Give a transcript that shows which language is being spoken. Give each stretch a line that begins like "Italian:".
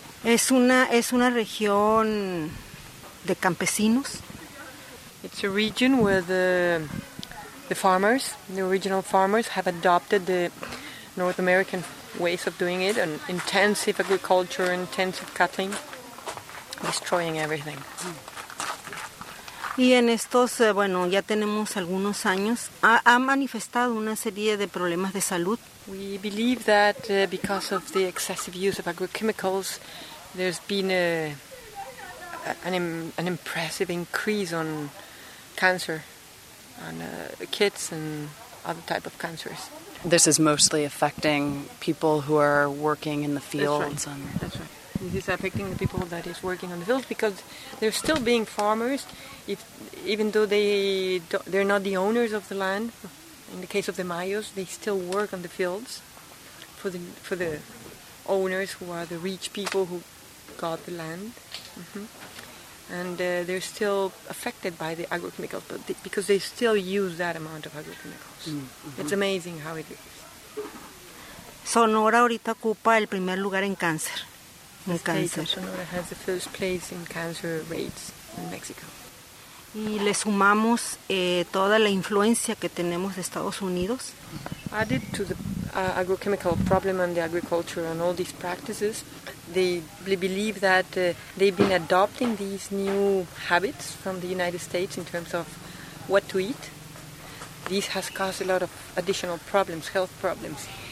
Spanish: Es una región de campesinos.
English: It's a region where the original farmers have adopted the North American ways of doing it, and intensive agriculture, intensive cattle, destroying everything.
Spanish: Y en estos, bueno, ya tenemos algunos años, ha manifestado una serie de problemas de salud.
English: We believe that because of the excessive use of agrochemicals, there's been an impressive increase on cancer. On kids and other type of cancers. This is mostly affecting people who are working in the fields. That's right. This is affecting the people that is working on the fields, because they're still being farmers, even though they're not the owners of the land. In the case of the Mayos, they still work on the fields for the owners, who are the rich people who got the land. Mm-hmm. And they're still affected by the agrochemicals, because they still use that amount of agrochemicals. Mm-hmm. It's amazing how it is.
Spanish: Sonora ahorita ocupa el primer lugar en cáncer.
English: Sonora has the first place in cancer rates in Mexico.
Spanish: Y le sumamos toda la influencia que tenemos de Estados Unidos.
English: Added to the agrochemical problem and the agriculture and all these practices, they believe that they've been adopting these new habits from the United States in terms of what to eat. This has caused a lot of additional problems, health problems.